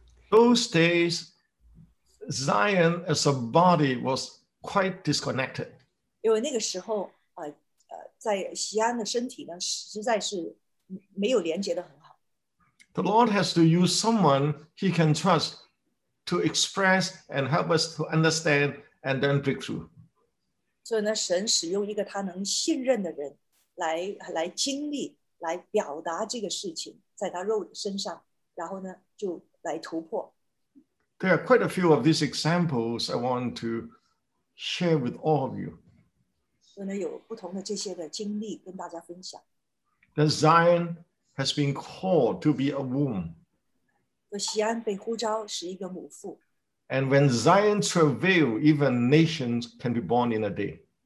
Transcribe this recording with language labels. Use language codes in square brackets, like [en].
[en] Those days, Zion as a body was quite disconnected. [zh] 因为那个时候，在西安的身体呢，实在是没有连接的很好。The [en] Lord has to use someone he can trust to express and help us to understand and then break through. [zh] 所以呢，神使用一个他能信任的人来经历，来表达这个事情，在他肉身上，然后呢就来突破。 [en] There are quite a few of these examples I want to share with all of you. [zh] 所以呢，有不同的这些的经历跟大家分享。 [en] That Zion has been called to be a womb. [zh] 西安被呼召是一个母腹。 [en] And when Zion travail, even nations can be born in a day.